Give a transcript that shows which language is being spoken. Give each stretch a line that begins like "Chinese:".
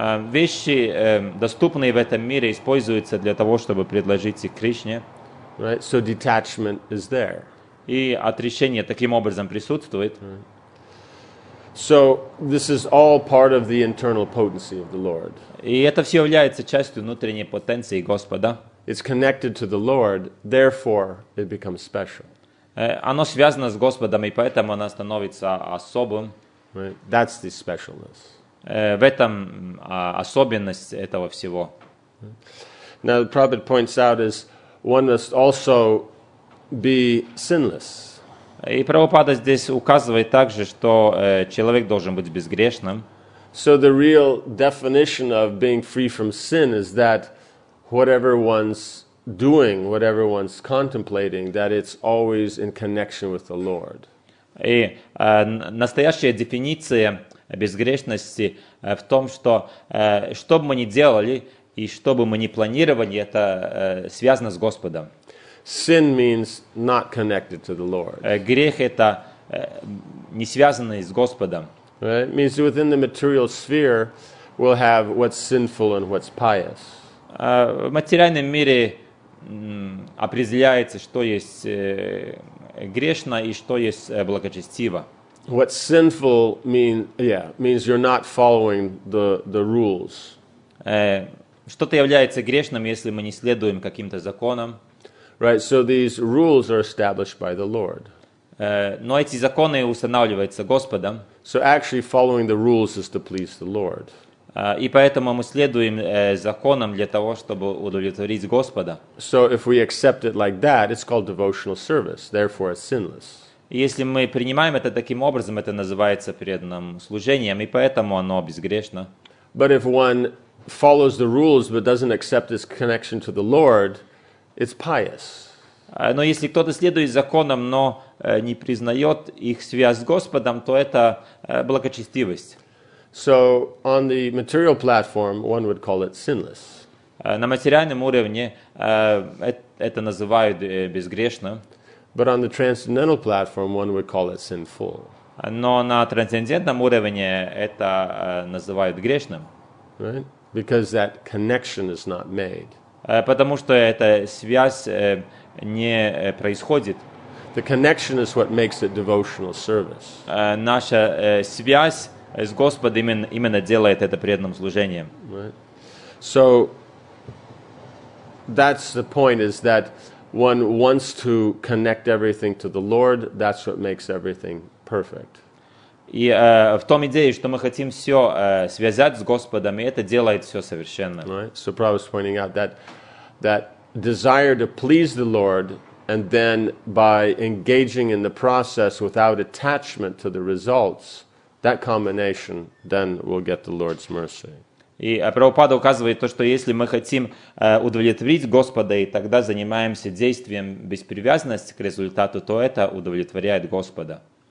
Russian: Вещи доступные в этом мире используются для того, чтобы предложить их Кришне.
English: Right, so detachment is there.
Russian: И отрешение таким образом присутствует.
English: So this is all part of the internal potency of the Lord.
Russian: И это все является частью внутренней потенции Господа.
English: It's connected to the Lord, therefore it becomes special.
Russian: Оно связано с Господом, и поэтому оно становится особым.
English: Right. That's the specialness.
Russian: в этом особенность этого всего.
English: Now the Prabhupada points out is one must also be sinless.
Russian: И Прабхупада здесь указывает также, что человек должен быть безгрешным.
English: So the real definition of being free from sin is that whatever one's doing, whatever one's contemplating, that it's always in connection with the Lord.
Russian: И настоящая дефиниция безгрешности в том, что что бы мы ни делали и что бы мы ни планировали, это связано с Господом.
English: Sin means not connected to the Lord.
Russian: Грех — это не связанный с Господом.
English: Right? It means within the material sphere we'll have what's sinful and what's pious.
Russian: В материальном мире определяется, что есть грешно и что есть благочестиво.
English: What's sinful means you're not following the rules.
Russian: Что-то является грешным, если мы не следуем каким-то законам.
English: Right, so these rules are established by the Lord.
Russian: Но эти законы устанавливаются Господом.
English: So actually following the rules is to please the Lord.
Russian: И поэтому мы следуем законам для того, чтобы удовлетворить Господа.
English: So if we accept it like that, it's called devotional service, therefore it's sinless.
Russian: Если мы принимаем это таким образом, это называется преданным служением, и поэтому оно безгрешно.
English: But if one follows the rules but doesn't accept this connection to the Lord, it's pious.
Russian: Но если кто-то следует законам, но не признает их связь с Господом, то это благочестивость.
English: So on the material platform, one would call it sinless.
Russian: На материальном уровне это называют безгрешным.
English: But on the transcendental platform, one would call it sinful.
Russian: Но на трансцендентном уровне это называют грешным.
English: Right? Because that connection is not made.
Russian: Потому что эта связь не происходит.
English: The connection is what makes it devotional service.
Russian: Наша связь с Господом именно делает это преданным служением.
English: Right. So that's the point, is that one wants to connect everything to the Lord, that's what makes everything perfect.
Russian: И в том идее, что мы хотим все связать с Господом, и это делает все совершенно.
English: Right. So Prabhupada was pointing out that desire to please the Lord, and then by engaging in the process without attachment to the results, that combination, then we'll get the Lord's mercy.
Russian: И Прабхупада указывает то, что если мы хотим удовлетворить Господа, и тогда занимаемся действием без привязанности к результату, то это удовлетворяет Господа.